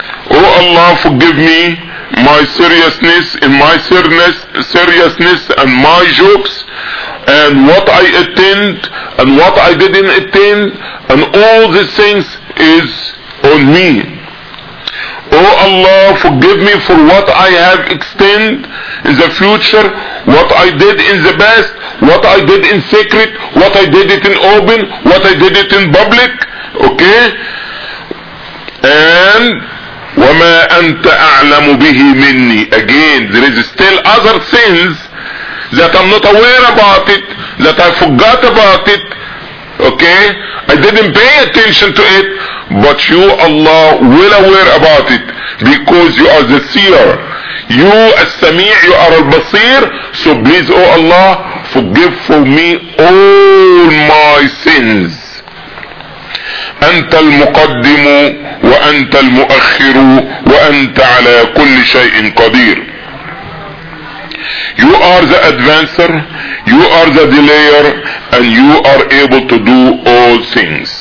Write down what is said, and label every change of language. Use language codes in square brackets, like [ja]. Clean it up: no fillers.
[en] Oh Allah, forgive me my seriousness and my seriousness and my jokes and what I attend and what I didn't attend, and all these things is on me. Oh Allah, forgive me for what I have extended in the future, what I did in the past, what I did in secret, what I did it in open, what I did it in public. Okay? [ar] And وَمَا أَنْتَ أَعْلَمُ بِهِ مِنِّي. [en] Again, there is still other sins that I'm not aware about it, that I forgot about it. Okay? I didn't pay attention to it, but you, Allah, will aware about it, because you are the seer. You as Sami', you are al-Basir. So please, oh Allah, forgive for me all my sins. [ar] أنت المقدم وأنت المؤخر وأنت على كل شيء قدير. [en] You are the advancer, you are the delayer, and you are able to do all things.